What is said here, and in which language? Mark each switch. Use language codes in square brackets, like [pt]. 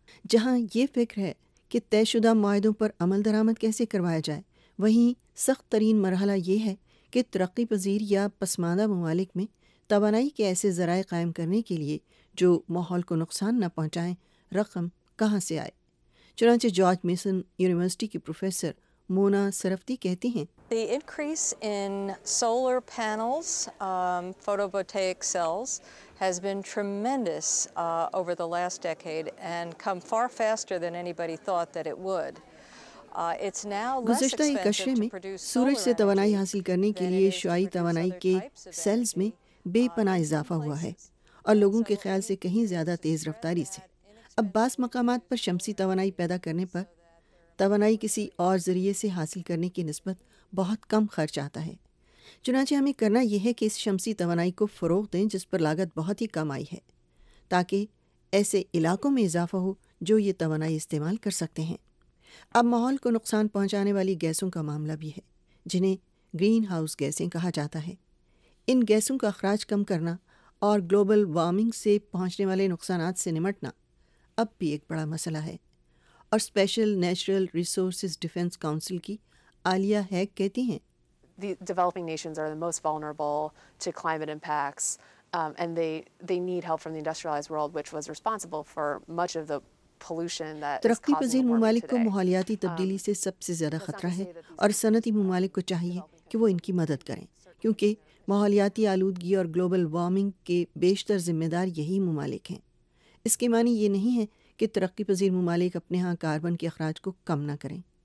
[ur] جہاں یہ فکر ہے کہ طے شدہ معاہدوں پر عمل درآمد کیسے کروایا جائے، وہیں سخت ترین مرحلہ یہ ہے کہ ترقی پذیر یا پسماندہ ممالک میں توانائی کے ایسے ذرائع قائم کرنے کے لیے جو ماحول کو نقصان نہ پہنچائیں رقم کہاں سے آئے۔ چنانچہ جارج میسن یونیورسٹی کی پروفیسر مونا سرفتی کہتی ہیں، [en] The increase in solar panels, photovoltaic cells has been tremendous over the last decade and come far faster than anybody thought that it would. It's now less expensive to produce solar energy. [ur] گزشتہ ایک عشرے میں سورج سے توانائی حاصل کرنے کے لیے شعاعی توانائی کے سیلز میں بے پناہ اضافہ ہوا ہے اور لوگوں کے خیال سے کہیں زیادہ تیز رفتاری سے۔ اب بعض مقامات پر شمسی توانائی پیدا کرنے پر توانائی کسی اور ذریعے سے حاصل کرنے کی نسبت بہت کم خرچ آتا ہے۔ چنانچہ ہمیں کرنا یہ ہے کہ اس شمسی توانائی کو فروغ دیں جس پر لاگت بہت ہی کم آئی ہے، تاکہ ایسے علاقوں میں اضافہ ہو جو یہ توانائی استعمال کر سکتے ہیں۔ اب ماحول کو نقصان پہنچانے والی گیسوں کا معاملہ بھی ہے جنہیں گرین ہاؤس گیسیں کہا جاتا ہے۔ ان گیسوں کا اخراج کم کرنا اور گلوبل وارمنگ سے پہنچنے والے نقصانات سے نمٹنا اب بھی ایک بڑا مسئلہ ہے، اور special natural resources defence council کی عالیہ ہیگ کہتی ہیں، [en] The developing nations are the most vulnerable to climate impacts and they need help from the industrialized world which was responsible for much of the pollution that is causing [ur] ترقی پذیر ممالک کو ماحولیاتی تبدیلی سے سب سے زیادہ خطرہ ہے، اور صنعتی ممالک کو چاہیے کہ وہ ان کی مدد کریں، کیونکہ ماحولیاتی آلودگی اور گلوبل وارمنگ کے بیشتر ذمہ دار یہی ممالک ہیں۔ اس کے معنی یہ نہیں ہے کہ ترقی پذیر ممالک اپنے ہاں کاربن کے اخراج کو کم نہ کریں،